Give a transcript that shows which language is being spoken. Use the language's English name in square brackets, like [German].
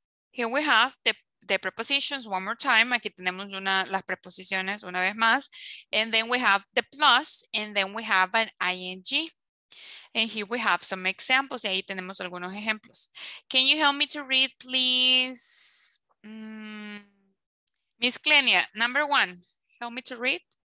[English] Here we have the prepositions one more time. [Spanish] Aquí tenemos una, las preposiciones una vez más. [English] And then we have the plus, and then we have an ing. And here we have some examples. [Spanish] Y ahí tenemos algunos ejemplos. [English] Can you help me to read, please? Miss Clenia, number one, help me to read.